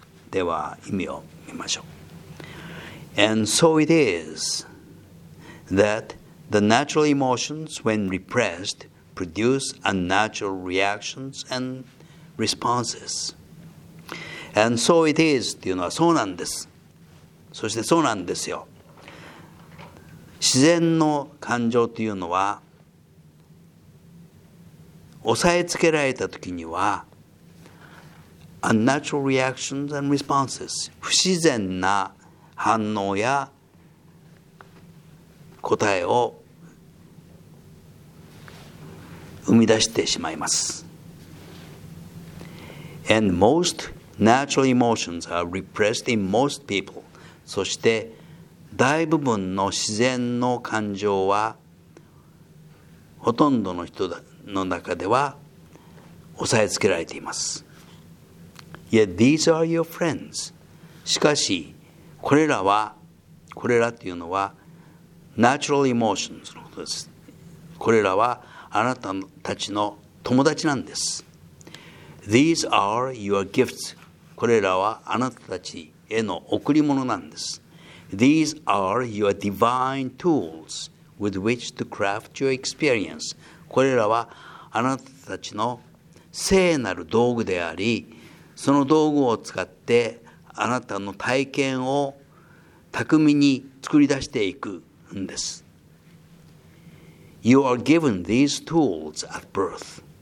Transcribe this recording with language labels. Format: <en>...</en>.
<ja>では意味を見ましょう。</ja> <en>And so it is that the natural emotions, when repressed, produce unnatural reactions and responses.</en> <ja>And so it is というのはそうなんです。そしてそうなんですよ。自然の感情というのは抑えつけられたときには unnatural reactions and responses、不自然な反応や答えを生み出してしまいます。</ja> <en>And most natural emotions are repressed in most people.</en> <ja>そして大部分の自然の感情はほとんどの人の中では抑えつけられています。 Yet these are your friends. しかしこれらは、これらというのは natural emotions のことです。これらはあなたたちの友達なんです。</ja> <en>These are your gifts.</en> <ja>これらはあなたたちへの贈り物なんです。</ja> <en>These are your divine tools with which to craft your experience.</en> <ja>これらはあなたたちの聖なる道具であり、その道具を使ってあなたの体験を巧みに作り出していくんです。</ja> <en>You are given these tools at birth.</en>